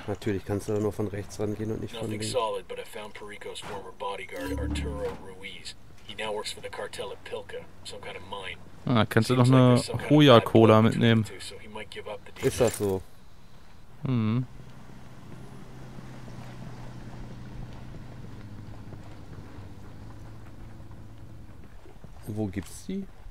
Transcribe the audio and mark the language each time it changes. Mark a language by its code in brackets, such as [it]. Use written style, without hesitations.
[de] Natürlich kannst du da nur von rechts rangehen und nicht von links. [en] Solid, but I found Perico's former bodyguard Arturo Ruiz. He now works for the cartel at Pilca, some kind of mine. [de] Ah, kannst du noch eine Hoya-Cola mitnehmen? Ist das so? Hm. Wo gibt's die?